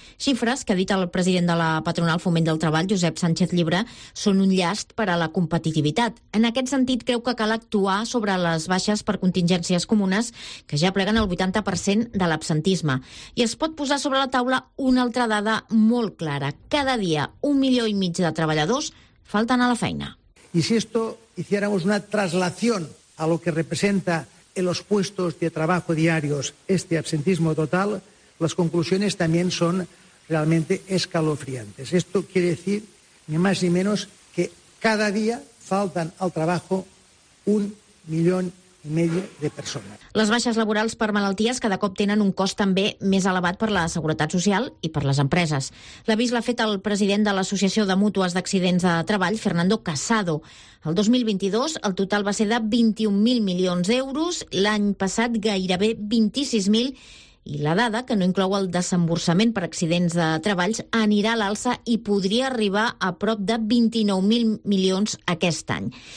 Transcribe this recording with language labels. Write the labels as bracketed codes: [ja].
[ca] Xifres que ha dit el president de la patronal Foment del Treball, Josep Sánchez Llibre, són un llast per a la competitivitat. En aquest sentit, creu que cal actuar sobre les baixes per contingències comunes que ja pleguen el 80% de l'absentisme. I es pot posar sobre la taula una altra dada molt clara. Cada dia 1,5 milió de treballadors falten a la feina. [es] Y si esto hiciéramos una traslación a lo que representa en los puestos de trabajo diarios este absentismo total, las conclusiones también son realmente escalofriantes. Esto quiere decir, ni más ni menos, que cada día faltan al trabajo 1,5 [ca] milió de persones. Les baixes laborals per malalties cada cop tenen un cost també més elevat per la Seguretat Social i per les empreses. L'avís l'ha fet el president de l'Associació de Mútues d'Accidents de Treball, Fernando Casado. El 2022 el total va ser de 21.000 milions d'euros, l'any passat gairebé 26.000, i la dada, que no inclou el desemborsament per accidents de treballs, anirà a l'alça i podria arribar a prop de 29.000 milions aquest any.